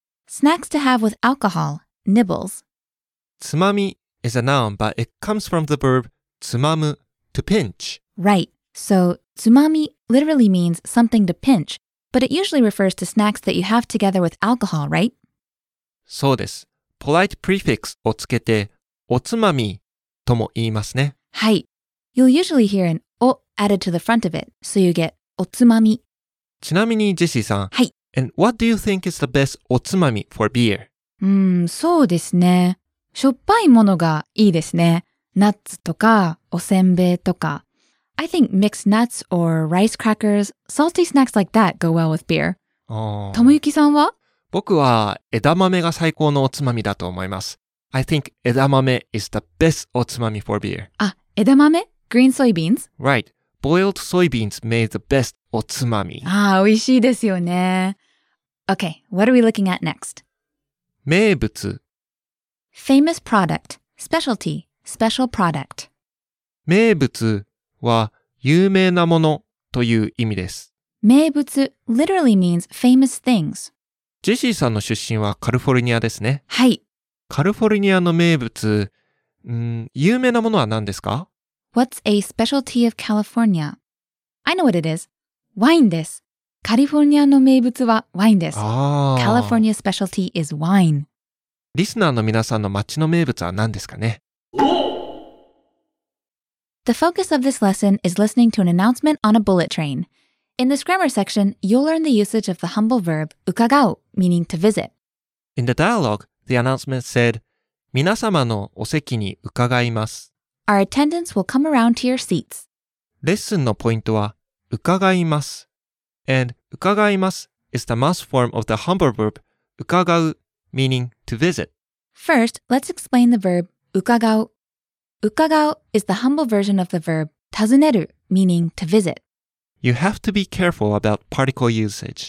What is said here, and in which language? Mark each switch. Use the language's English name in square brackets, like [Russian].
[English] Snacks to have with alcohol, nibbles. つまみ is a noun, but it comes from the verb つまむ to pinch. Right. So, tsumami literally means something to pinch, but it usually refers to snacks that you have together with alcohol, right? [Japanese] そうです。 [English] Polite prefix [Japanese] をつけて、おつまみとも言いますね。はい。 [English] You'll usually hear an お added to the front of it, so you get おつまみ。 [Japanese] ちなみに、ジェシーさん。はい。 [English] And what do you think is the best おつまみ for beer? [Japanese] そうですね。しょっぱいものがいいですね。ナッツとか、おせんべいとか。 [English] I think mixed nuts or rice crackers, salty snacks like that go well with beer. Tomoyuki さんは? [Japanese] 僕は枝豆が最高のおつまみだと思います。 [English] I think 枝豆 is the best おつまみ for beer. [Japanese] あ、枝豆? [English] Green soybeans? Right. Boiled soybeans made the best おつまみ。 [Japanese] あ、美味しいですよね。 [English] Okay, what are we looking at next? [Japanese] 名物 [English] Famous product. Specialty. Special product. [Japanese] 名物は有名なものという意味です。 [English] 名物 literally means famous things. [Japanese] ジェシーさんの出身はカリフォルニアですね。はい。カリフォルニアの名物、有名なものは何ですか? [English] What's a specialty of California? I know what it is. [Japanese] ワインです。カリフォルニアの名物はワインです。 [English] California specialty is wine. [Japanese] リスナーの皆さんの町の名物は何ですかね? [English] The focus of this lesson is listening to an announcement on a bullet train. In this grammar section, you'll learn the usage of the humble verb 伺う, meaning to visit. In the dialogue, the announcement said, [Japanese] 皆様のお席に伺います。 [English] Our attendants will come around to your seats. [Japanese] レッスンのポイントは伺います。 [English] And 伺います is the mass form of the humble verb 伺う, meaning to visit. First, let's explain the verb 伺う。 Ukagau is the humble version of the verb tazuneru, meaning to visit. You have to be careful about particle usage.